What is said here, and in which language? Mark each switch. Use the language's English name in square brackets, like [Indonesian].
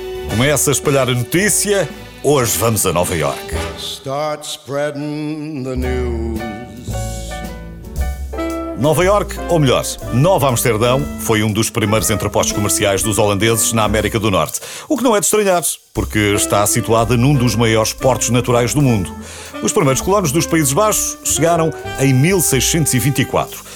[Portuguese] Começa a espalhar a notícia. Hoje vamos a Nova York. [English] Start spreading the news. [Portuguese] Nova York, ou melhor, Nova Amsterdão, foi um dos primeiros entrepostos comerciais dos holandeses na América do Norte. O que não é de estranhar, porque está situada num dos maiores portos naturais do mundo. Os primeiros colonos dos Países Baixos chegaram em 1624.